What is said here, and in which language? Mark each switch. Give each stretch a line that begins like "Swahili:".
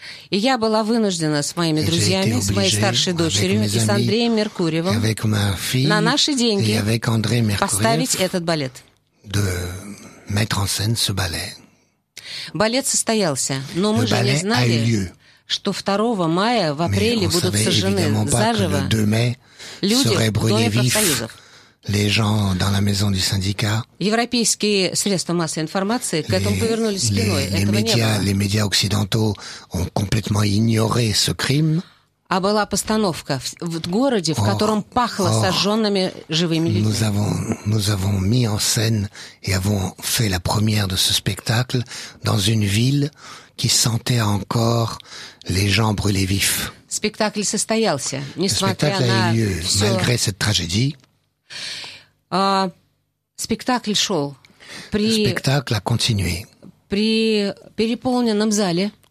Russian: И я была вынуждена с моими друзьями, с моей старшей дочерью и с Андреем Меркурьевым на наши деньги поставить этот балет.
French: De mettre en scène ce ballet.
Russian: Балет состоялся, но мы же не знали, что 2 мая в апреле будут сожжены заживо люди в доме профсоюзов.
French: Les gens dans la maison du syndicat.
Russian: Европейские средства массовой информации к этому повернули спиной.
French: Les médias occidentaux ont complètement ignoré ce crime.
Russian: А была постановка в городе, в котором пахло сожженными живыми людьми.
French: Nous avons mis en scène et avons fait la première de ce spectacle dans une ville qui sentait encore les gens brûlés vifs.
Russian: Спектакль состоялся, несмотря на
French: lieu, все... malgré cette tragédie.
Russian: Спектакль шел.
French: Спектакль a continué.
Russian: При переполненном зале.